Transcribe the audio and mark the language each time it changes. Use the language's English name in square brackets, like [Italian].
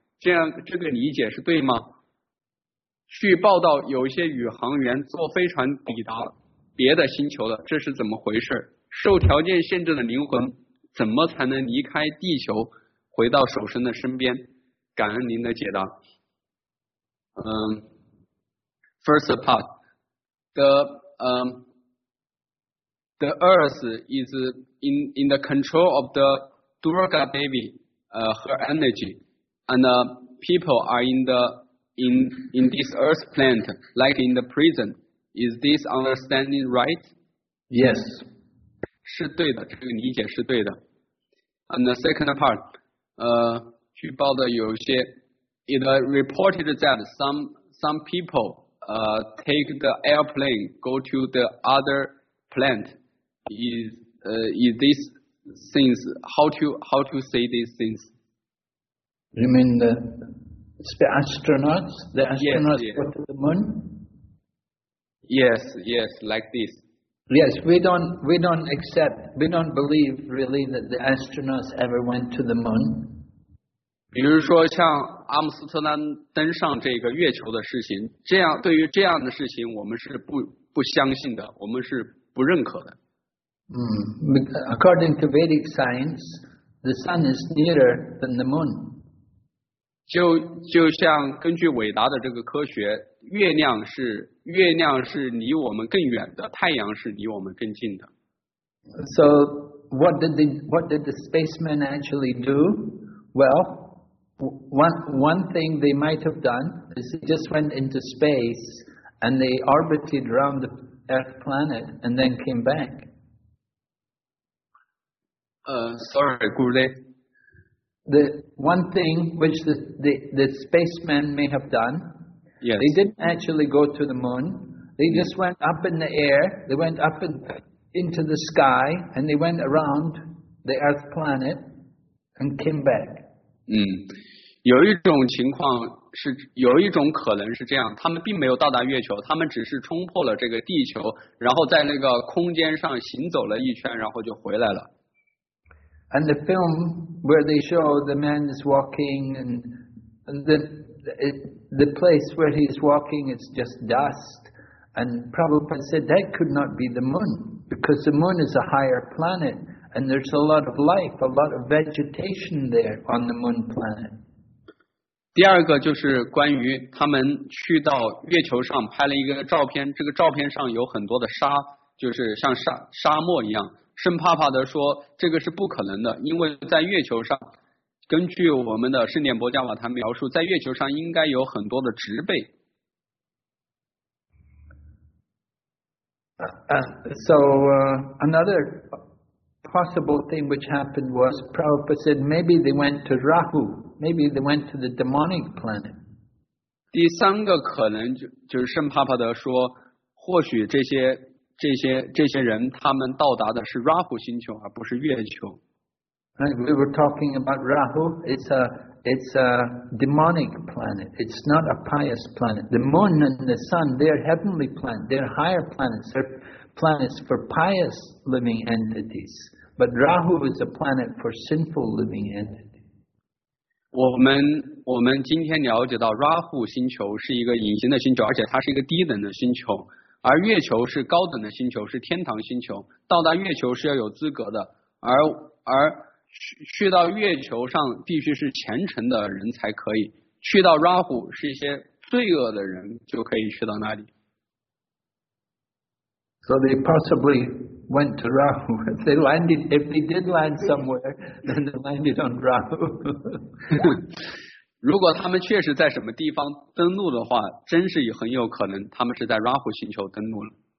[Chinese] 这样，这个理解是对吗？据报道，有些宇航员坐飞船抵达别的星球了，这是怎么回事？受条件限制的灵魂怎么才能离开地球，回到守身的身边？感恩您的解答。 [English] First part, the Earth is in the control of the Durga Devi, her energy, and people are in this earth plant, like in the prison. Is this understanding right? Yes. [Chinese] 是对的，这个理解是对的。 [English] And the second part, [Chinese] 据报的有些 [English] it reported that some people take the airplane, go to the other plant. Is these things, how to say these things? You mean the... astronauts, the astronauts yes, yes. go to the moon? Yes, yes, like this. Yes, we don't accept, we don't believe really that the astronauts ever went to the moon. [Chinese] 比如说像阿姆斯特丹登上这个月球的事情，这样对于这样的事情我们是不相信的，我们是不认可的。 [English] According to Vedic science, the sun is nearer than the moon. [Chinese] 就像根据伟达的这个科学，月亮是离我们更远的，太阳是离我们更近的。 [English] So what did the spacemen actually do? Well, one thing they might have done is they just went into space and they orbited around the Earth planet and then came back. Sorry, Gurudev. The one thing which the spacemen may have done, yes. they didn't actually go to the moon. They just went up in the air, they went up into the sky, and they went around the Earth planet and came back. [Chinese] 有一种情况是，有一种可能是这样，他们并没有到达月球，他们只是冲破了这个地球，然后在那个空间上行走了一圈，然后就回来了。 [English] And the film where they show the man is walking and the place where he's walking is just dust. And Prabhupada said that could not be the moon because the moon is a higher planet and there's a lot of life, a lot of vegetation there on the moon planet. [Chinese] 第二个就是关于他们去到月球上拍了一个照片，这个照片上有很多的沙，就是像沙漠一样。圣帕帕德说这个是不可能的，因为在月球上，根据我们的圣典伯加瓦坛描述，在月球上应该有很多的植被。 [English] Another possible thing which happened was Prabhupada said maybe they went to Rahu, maybe they went to the demonic planet. [Chinese] 第三个可能就是圣帕帕德说，或许这些人他们到达的是 Rahu 星球而不是月球。 [English] We were talking about Rahu. It's a demonic planet. It's not a pious planet. The moon and the sun, they're heavenly planets. They're higher planets. They're planets for pious living entities. But Rahu is a planet for sinful living entities. [Chinese] 我们今天了解到 Rahu 星球是一个隐形的星球，而且它是一个低等的星球。而月球是高等的星球，是天堂星球。到达月球是要有资格的，而去到月球上必须是虔诚的人才可以，去到拉虎是一些罪恶的人就可以去到那里。 [English] So they possibly went to Rahu. They landed, if they did land somewhere, then they landed on Rahu. [Chinese] 如果他们确实在什么地方登陆的话，真是也很有可能他们是在 Rahu 星球登陆了。